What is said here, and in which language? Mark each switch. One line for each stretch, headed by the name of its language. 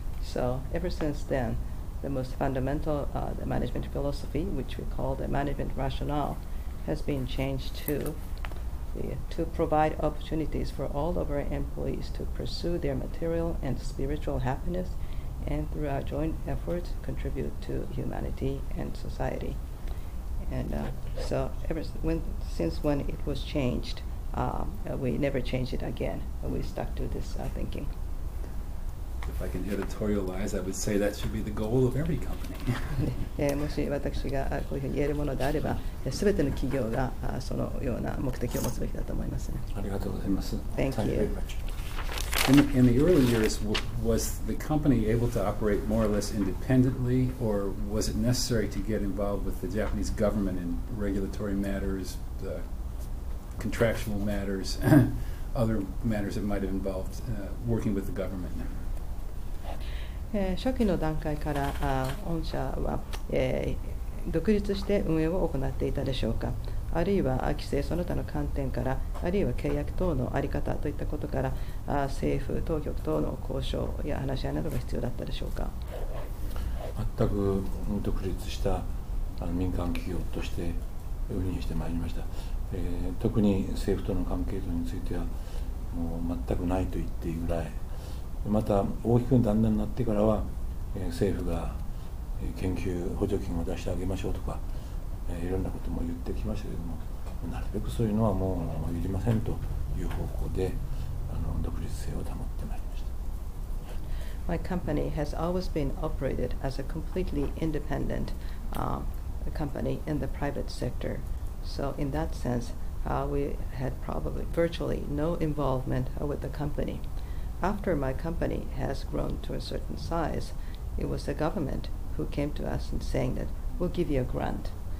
English: So ever since then, the most fundamental the management philosophy, which we call the management rationale, has been changed to provide opportunities for all of our employees to pursue their material and spiritual happiness and through our joint efforts contribute to humanity and society. And since it was changed, we never changed it again. We stuck to this thinking. If I can editorialize, I would say that should be the goal of every company.
Japanese: もし私がこういうふうに言えるものであれば、すべての企業がそのような目的を持つべきだと思いますね。ありがとうございます。
English: Thank you. In the early years, was the company able to operate more or less independently, or was it necessary to get involved with the Japanese government in regulatory matters, the contractual matters, other matters that might have involved working with the government?
Japanese: 初期の段階から御社は、独立して運営を行っていたでしょうか、あるいは規制その他の観点から、あるいは契約等のあり方といったことから、政府当局等の交渉や話し合いなどが必要だったでしょうか。全く独立した民間企業として運営してまいりました。特に政府との関係等についてはもう全くないと言っていいぐらい、また大きく断念になってからは、政府が研究補助金を出してあげましょうとか、いろんなことも言ってきましたけれども、なるべくそういうのはもういりませんという方向で独立性を保ってまいりました。
English: My company has always been operated as a completely independent company in the private sector. So in that sense, we had probably virtually no involvement with the companyAfter my company has grown to a certain size, it was the government who came to us and saying that we'll give you a grant.